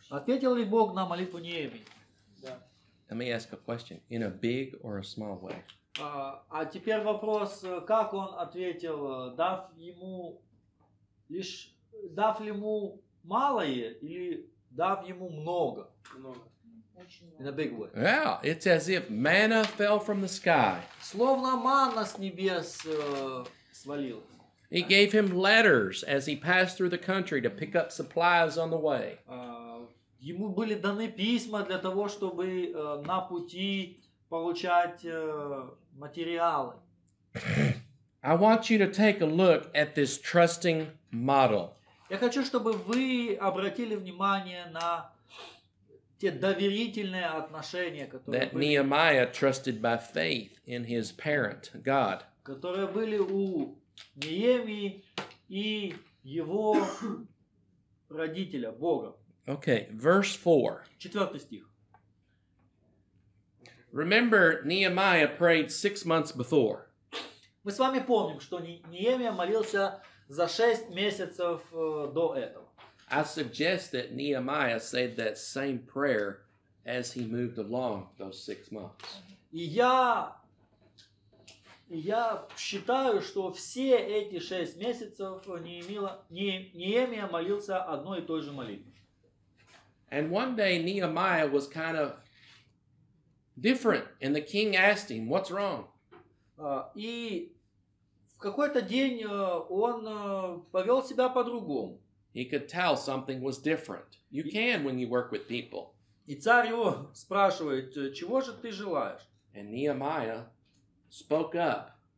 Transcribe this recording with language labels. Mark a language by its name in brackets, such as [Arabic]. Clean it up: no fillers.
[Russian] Ответил ли Бог на молитву Неемии? [English] Let me ask a question, in a big or a small way? [Russian] А теперь вопрос, как он ответил, дав ли ему малое или дав ему много? [English] In a big way. Yeah, it's as if manna fell from the sky. [Russian] Словно манна с небес свалилась. [English] He gave him letters as he passed through the country to pick up supplies on the way. [Russian] Ему были даны письма для того, чтобы на пути получать материалы. [English] I want you to take a look at this trusting model. [Russian] Я хочу, чтобы вы обратили внимание на те доверительные отношения, которые [English] that [Russian] были, [English] Nehemiah trusted by faith in his parent, God. [Russian] Которые были у Неемии и его родителя, Бога. [English] Okay, verse 4. [Russian] Четвертый стих. [English] Remember, Nehemiah prayed 6 months before. [Russian] Мы с вами помним, что Неемия молился за 6 месяцев до этого. [English] I suggest that Nehemiah said that same prayer as he moved along those 6 months. [Russian] Я считаю, что все эти 6 месяцев Неемия молился одной и той же молитвой. [English] And one day Nehemiah was kind of different, and the king asked him, "What's wrong?" [Russian] И в какой-то день он повел себя по-другому. [English] He could tell something was different. You can when you work with people. [Russian] И царь его спрашивает, чего же ты желаешь? [English] And Nehemiah spoke up.